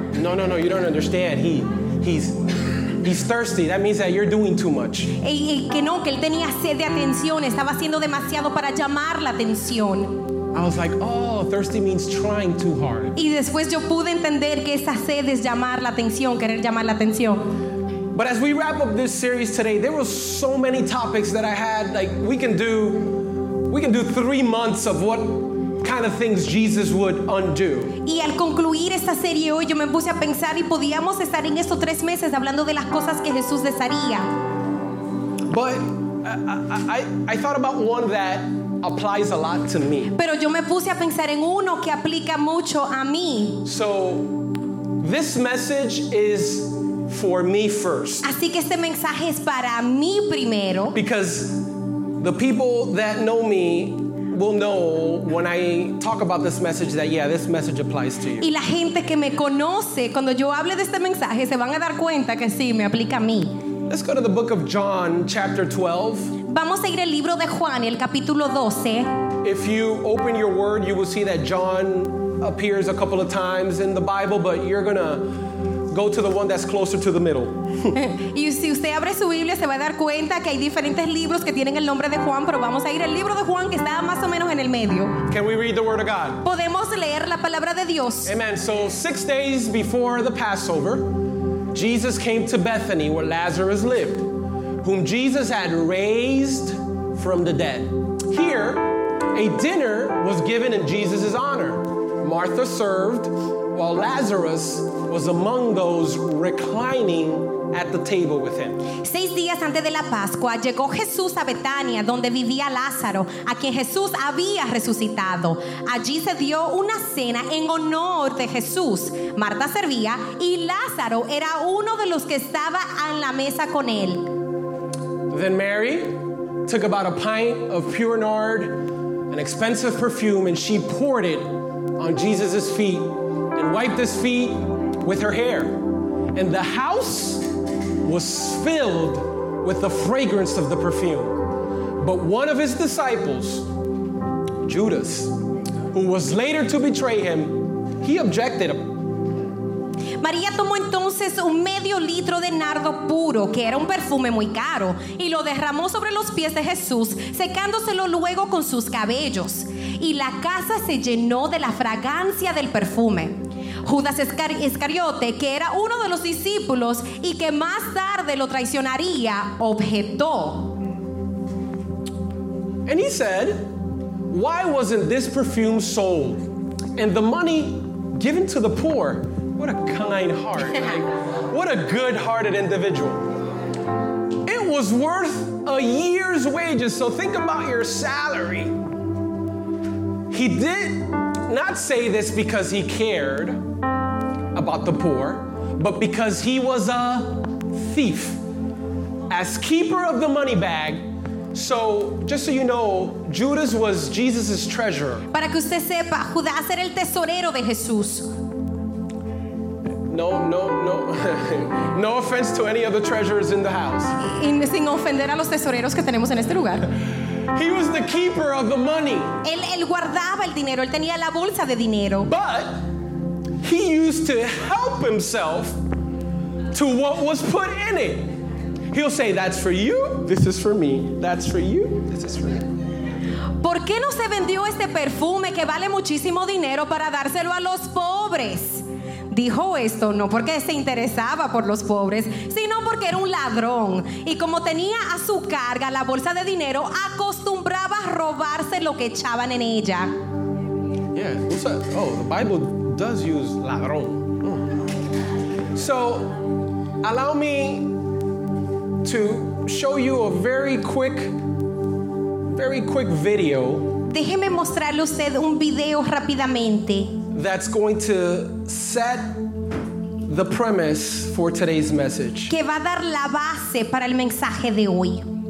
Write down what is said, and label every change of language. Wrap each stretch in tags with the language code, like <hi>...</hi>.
<en>No, you don't understand. He's thirsty. That means that you're doing too much.</en> <es>Y que no, que él tenía sed de atención. Estaba haciendo demasiado para llamar la atención.</es> <en>I was like, oh, thirsty means trying too hard.</en> <es>Y después yo pude entender que esa sed es llamar la atención, querer llamar la atención.</es> <en>But as we wrap up this series today, there were so many topics that I had, like, we can do 3 months of what kind of things Jesus would undo.</en> <es>Y al concluir esta serie hoy, yo me puse a pensar y podíamos estar en estos 3 meses hablando de las cosas que Jesús desharía.</es> <en>But I thought about one that applies a lot to me.</en> <es>Pero yo me puse a pensar en uno que aplica mucho a mí.</es> <en>So, this message is for me first.</en> <es>Así que este mensaje es para mí primero.</es> <en>Because the people that know me will know when I talk about this message that yeah, this message applies to you.</en> <es>Y la gente que me conoce cuando yo hable de este mensaje se van a dar cuenta que sí me aplica a mí.</es> <en>Let's go to the book of John, chapter 12.</en> <es>Vamos a ir al libro de Juan, el capítulo 12.</es> <en>If you open your word, you will see that John appears a couple of times in the Bible, but you're gonna go to the one that's closer to the middle.</en> <es>Y si usted abre su Biblia, se va a dar cuenta que hay diferentes libros que tienen el nombre de Juan, pero vamos a ir al libro de Juan que está más o menos en el medio.</es> <en>Can we read the word of God?</en> <es>Podemos leer la palabra de Dios.</es> <en>Amen. So 6 days before the Passover, Jesus came to Bethany where Lazarus lived, whom Jesus had raised from the dead. Here, a dinner was given in Jesus' honor. Martha served, while Lazarus was among those reclining at the table with him.</en> <es>6 días antes de la Pascua llegó Jesús a Betania, donde vivía Lázaro, a quien Jesús había resucitado. Allí se dio una cena en honor de Jesús. Marta servía y Lázaro era uno de los que estaba en la mesa con él.</es> <en>Then Mary took about a pint of pure nard, an expensive perfume, and she poured it on Jesus' feet and wiped his feet with her hair. And the house was filled with the fragrance of the perfume. But one of his disciples, Judas, who was later to betray him, he objected.</en> <es>María tomó entonces un medio litro de nardo puro, que era un perfume muy caro, y lo derramó sobre los pies de Jesús, secándoselo luego con sus cabellos. Y la casa se llenó de la fragancia del perfume. Judas Iscariote, que era uno de los discípulos y que más tarde lo traicionaría, objetó.</es> <en>And he said, "Why wasn't this perfume sold and the money given to the poor?" What a kind heart, right? What a good-hearted individual. It was worth a year's wages, so think about your salary. He did not say this because he cared about the poor, but because he was a thief, as keeper of the money bag. So, just so you know, Judas was Jesus' treasurer.</en> <es>Para que usted sepa, Judas era el tesorero de Jesús.</es> <en>No, no, no. No offense to any of the treasurers in the house.</en> <es>Y sin ofender a los tesoreros que tenemos en este lugar.</es> <en>He was the keeper of the money.</en> <es>Él guardaba el dinero. Él tenía la bolsa de dinero.</es> <en>But he used to help himself to what was put in it. He'll say, "That's for you. This is for me. That's for you. This is for me."</en> <es>¿Por qué no se vendió este perfume que vale muchísimo dinero para dárselo a los pobres? Dijo esto no porque se interesaba por los pobres, sino porque era un ladrón. Y como tenía a su carga la bolsa de dinero, acostumbraba a robarse lo que echaban en ella.</es> <en>Yeah, the Bible does use ladrón. So, allow me to show you a very quick video.</en> <es>Déjeme mostrarle usted un video rápidamente.</es> <en>That's going to set the premise for today's message.</en> <es>Que va a dar la base para el mensaje de hoy.</es>